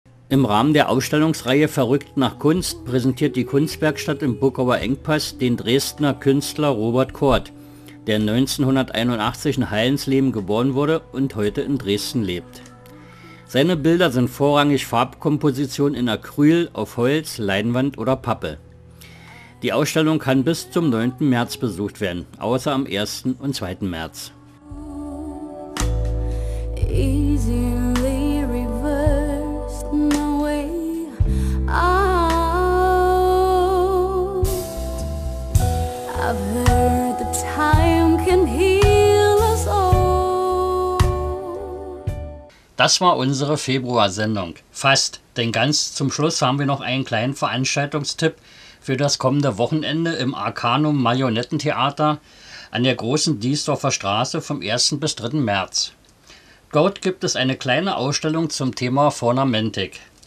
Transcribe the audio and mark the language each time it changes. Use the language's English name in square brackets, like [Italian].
[German] Im Rahmen der Ausstellungsreihe Verrückt nach Kunst präsentiert die Kunstwerkstatt im Buckauer Engpass den Dresdner Künstler Robert Kort, der 1981 in Heilensleben geboren wurde und heute in Dresden lebt. Seine Bilder sind vorrangig Farbkompositionen in Acryl, auf Holz, Leinwand oder Pappe. Die Ausstellung kann bis zum 9. März besucht werden, außer am 1. und 2. März. [English] Easily reversed my way out. I've heard the time can heal us all. [German] Das war unsere Februarsendung. Fast, denn ganz zum Schluss haben wir noch einen kleinen Veranstaltungstipp für das kommende Wochenende im Arcanum Marionettentheater an der großen Diesdorfer Straße vom 1. bis 3. März. Dort gibt es eine kleine Ausstellung zum Thema Fornamentik.